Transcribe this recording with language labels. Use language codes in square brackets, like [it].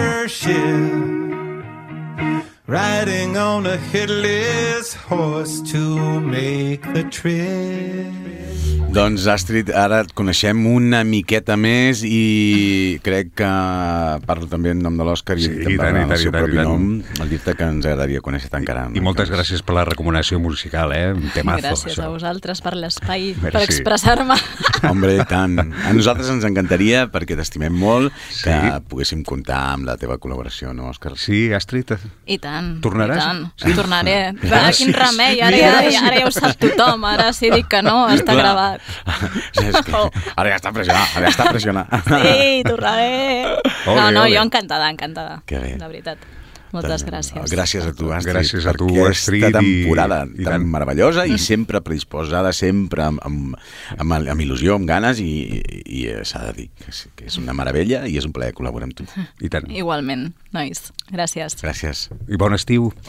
[en] Censorship, riding on a headless horse to make the trip. [ca] Doncs, Astrid, ara et coneixem una miqueta més i crec que parlo també en nom de l'Òscar i també en el seu propi nom, al dir-te que ens agradaria conèixer-te encara. I moltes gràcies per la recomanació musical, un temazo. Gràcies a vosaltres per l'espai, per expressar-me. Hombre, tant. A nosaltres ens encantaria, perquè t'estimem molt, que poguéssim comptar amb la teva col·laboració, no, Òscar? Sí, Astrid. I tant. Tornaràs? I tant. Sí. Tornaré. Gràcies. Quin remei, ara ja ho sap tothom, ara sí dic que no, està gravat. Ara ja està pressionat, Sí, tornaré. No, jo encantada. Que bé. La veritat. Moltes gràcies. Gràcies a tu, Astrid. Gràcies a tu, Astrid. Aquesta temporada i tan meravellosa i sempre predisposada, sempre amb il·lusió, amb ganes, i s'ha de dir que és una meravella i és un plaer col·laborar amb tu. I tant. Igualment, nois. Gràcies. Gràcies. I bon estiu.